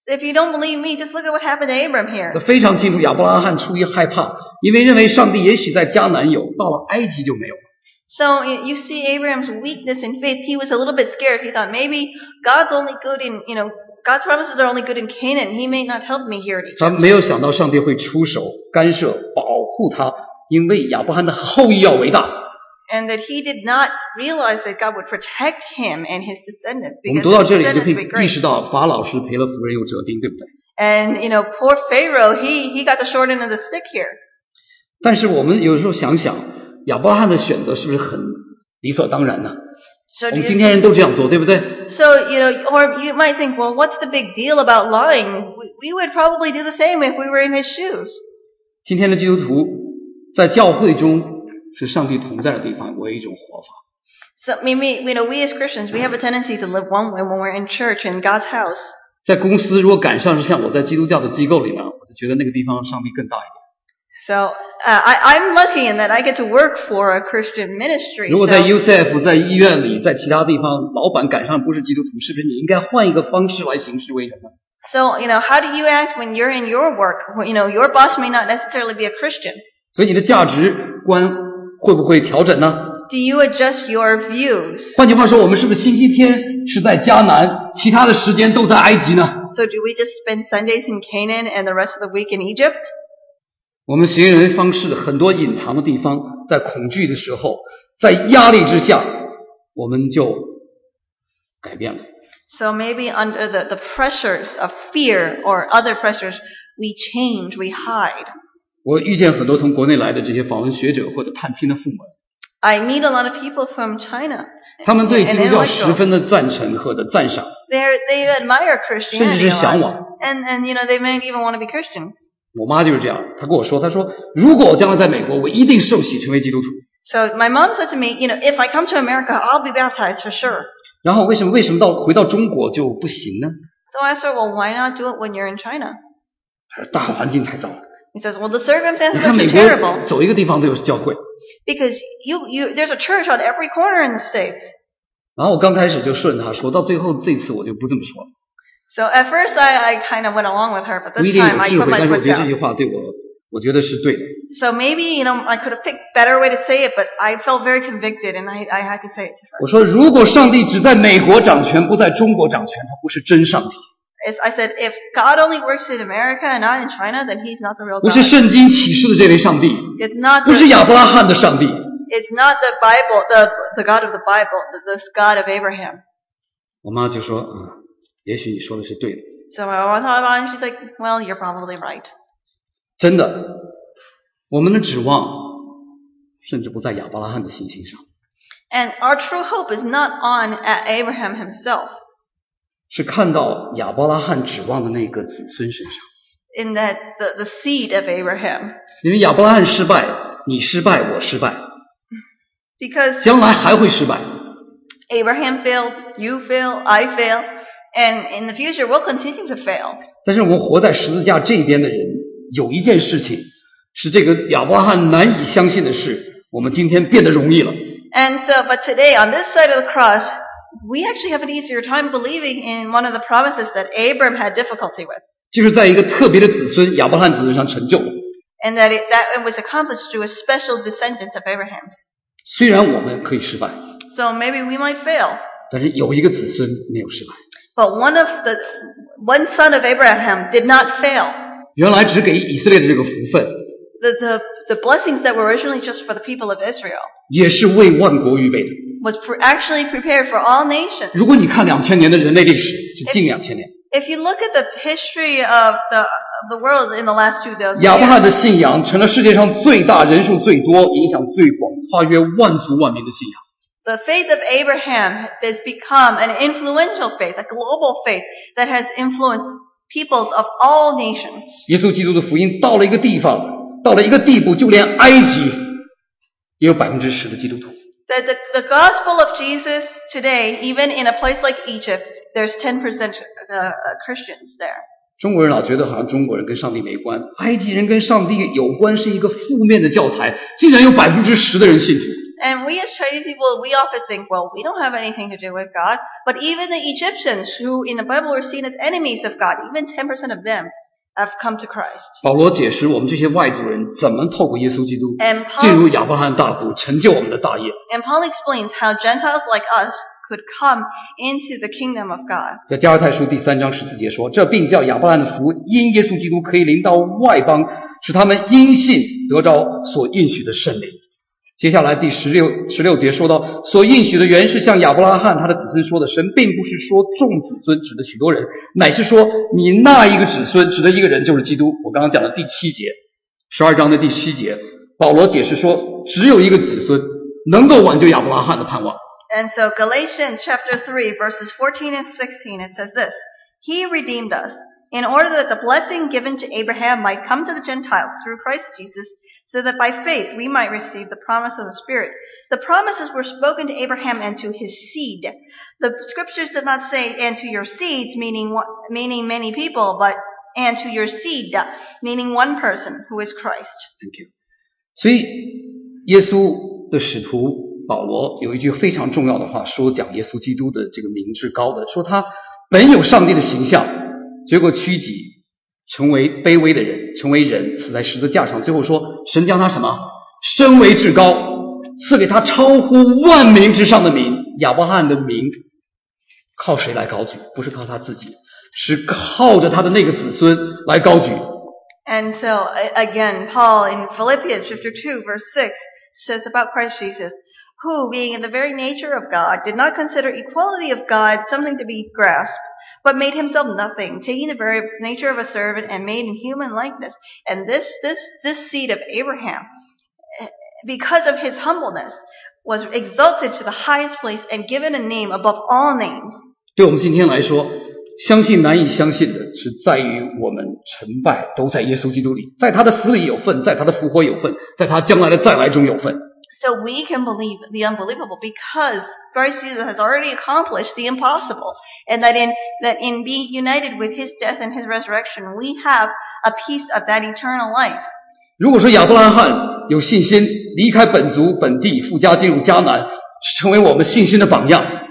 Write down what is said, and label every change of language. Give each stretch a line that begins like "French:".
English: If you don't believe me, just look at what happened to Abram here.
Chinese: 非常清楚，亚伯拉罕出于害怕，因为认为上帝也许在迦南有，到了埃及就没有。
English: So you see Abram's weakness in faith. He was a little bit scared. He thought maybe God's only good in, you know, God's promises are only good in Canaan. He may not help me here.
Chinese: 他没有想到上帝会出手干涉保护他，因为亚伯拉罕的后裔要伟大。
English: And that he did not realize that God would protect him and his descendants. Because
Chinese: 我们读到这里就可以意识到法老是赔了夫人又折兵，对不对？
English: And you know, poor Pharaoh, he got the short end of the stick here.
Chinese: 但是我们有时候想想，亚伯拉罕的选择是不是很理所当然呢？
English: So、
Chinese: 我们今天人都这样做，对不对？
English: So you know, or you might think, well, what's the big deal about lying? We would probably do the same if we were in his shoes.
Chinese: 今天的基督徒在教会中。是上帝同在的地方，唯一一种活法。
English: So maybe you know, we as Christians, we have a tendency to live one way when we're in church in God's house.
Chinese: 在公司如果赶上是像我在基督教的机构里面，我就觉得那个地方上帝更大一点。
English: So I'm lucky in that I get to work for a Christian ministry.
Chinese: 如果在 UCF 在医院里，在其他地方，老板赶上不是基督徒，是不是你应该换一个方式来行事为人呢？
English: So you know, how do you act when you're in your work? You know, your boss may not necessarily be a Christian.
Chinese: 所以你的价值观。会不会调整呢？
English: Do you adjust your views?
Chinese: 换句话说，我们是不是星期天是在迦南，其他的时间都在埃及呢？
English: So do we just spend Sundays in Canaan and the rest of the week in Egypt?
Chinese: 我们行人方式很多隐藏的地方，在恐惧的时候，在压力之下，我们就改变了。
English: So maybe under the pressures of fear or other pressures, we change, we hide.
Chinese: 我遇见很多从国内来的这些访问学者或者探亲的父母。
English: I meet a lot of people from China.
Chinese: 他们对基督教十分的赞成或者赞赏。
English: They admire Christianity.
Chinese: 甚至是向往。
English: And you know, they may even want to be Christians.
Chinese: 我妈就是这样，她跟我说，她说如果我将来在美国，我一定受洗成为基督徒。
English: So my mom said to me, you know, if I come to America, I'll be baptized for sure.
Chinese: 然后为什么到回到中国就不行呢？
English: So I said, well, why not do it when you're in China?
Chinese: 她说大环境太糟了。
English: He says, "Well, the circumstances are terrible."
Chinese: 走一个地方都有教会。
English: Because you, there's a church on every corner in the states.
Chinese: 然后我刚开始就顺他说，到最后这次我就不这么说了。
English: So at first I kind of went along with her, but this time I put my foot down.
Chinese: 不一定有智慧，但是我觉得这句话对我，我觉得是对的。
English: So maybe you know I could have picked better way to say it, but I felt very convicted and I had to say it to her.
Chinese: 我说，如果上帝只在美国掌权，不在中国掌权，他不是真上帝。
English: I said, if God only works in America and not in China, then He's not the real God.
Chinese: 不是圣经启示的这位上帝。
English: It's not.
Chinese: 不是亚伯拉罕的上帝。
English: It's not the Bible, the God of the Bible, the God of Abraham.
Chinese: 我妈就说，也许你说的是对的。
English: So my mom thought about it, and she's like, well, you're probably right.
Chinese: 真的，我们的指望甚至不在亚伯拉罕的信心上。
English: And our true hope is not on at Abraham himself.
Chinese: 是看到亚伯拉罕指望的那个子孙身上。
English: In that the seed of Abraham.
Chinese: 因为亚伯拉罕失败，你失败，我失败。
English: Because
Chinese: 将来还会失败。
English: Abraham failed, you fail, I fail, and in the future we'll continue to fail.
Chinese: 但是我活在十字架这边的人，有一件事情是这个亚伯拉罕难以相信的事，我们今天变得容易了。
English: And so, but today on this side of the cross. We actually have an easier time believing in one of the promises that Abram had difficulty with.
Chinese: 就是在一个特别的子孙亚伯拉罕子孙上成就。
English: And that it was accomplished through a special descendant of Abraham's.
Chinese: 虽然我们可以失败。
English: So maybe we might fail.
Chinese: 但是有一个子孙没有失败。
English: But one son of Abraham did not fail.
Chinese: 原来只给以色列的这个福分。
English: The blessings that were originally just for the people of Israel.
Chinese: 也是为万国预备的。
English: was actually prepared for all nations.
Chinese: 如果你看两千年的人类历史，就近两千年。
English: If you look at the history of the world in the last 2,000 years,
Chinese: 亚伯拉罕的信仰成了世界上最大、人数最多、影响最广、跨越万族万民的信仰。
English: The faith of Abraham has become an influential faith, a global faith that has influenced peoples of all nations.
Chinese: 耶稣基督的福音到了一个地方，到了一个地步，就连埃及也有10%的基督徒。
English: That the gospel of Jesus today, even in a place like Egypt, there's 10% Christians there.
Chinese: 中国人老觉得好像中国人跟上帝没关，埃及人跟上帝有关是一个负面的教材，竟然有10%的人信徒。
English: And we as Chinese people, we often think, well, we don't have anything to do with God. But even the Egyptians, who in the Bible were seen as enemies of God, even 10% of them have come to Christ.
Chinese: 保罗解释我们这些外族人怎么透过耶稣基督进入亚伯拉罕大族，成就我们的大业。
English: And Paul explains how Gentiles like us could come into the kingdom of God.
Chinese: 在加拉太书第三章十四节说，这并叫亚伯拉罕的福因耶稣基督可以临到外邦，使他们因信得着所应许的圣灵。接下来第十六节说到，所应许的原是像亚伯拉罕他的子孙说的，神并不是说众子孙指的许多人，乃是说你那一个子孙指的一个人，就是基督。我刚刚讲的第七节，十二章的第七节，保罗解释说，只有一个子孙能够挽救亚伯拉罕的盼望。
English: And so Galatians chapter 3 verses 14 and 16 it says this, He redeemed us. In order that the blessing given to Abraham might come to the Gentiles through Christ Jesus, so that by faith we might receive the promise of the Spirit. The promises were spoken to Abraham and to his seed. The scriptures did not say, and to your seeds, meaning many people, but and to your seed, meaning one person, who is Christ. Thank you.
Chinese: 所以耶稣的使徒保罗有一句非常重要的话，说讲耶稣基督的这个名至高的，说他本有上帝的形象，结果屈己成为卑微的人，成为人，死在十字架上，最后说神将他什么升为至高，赐给他超乎万民之上的名。亚伯翰的名靠谁来高举？不是靠他自己，是靠着他的那个子孙来高举。
English: And so again Paul in Philippians chapter 2 verse 6 says about Christ Jesus, who being in the very nature of God did not consider equality of God something to be graspedBut made himself nothing, taking the very nature of a servant and made in human likeness. And this seed of Abraham, because of his humbleness, was exalted to the highest place and given a name above all names.
Chinese: 对我们今天来说，相信难以相信的是在于我们成败都在耶稣基督里，在他的死里有份，在他的复活有份，在他将来的再来中有份。
English: So we can believe the unbelievable because Christ Jesus has already accomplished the impossible. And that in being united with his death and his resurrection, we have a piece of that eternal life.
Chinese: 如果说亚伯拉罕有信心离开本族本地富家进入迦南，成为我们信心的榜样。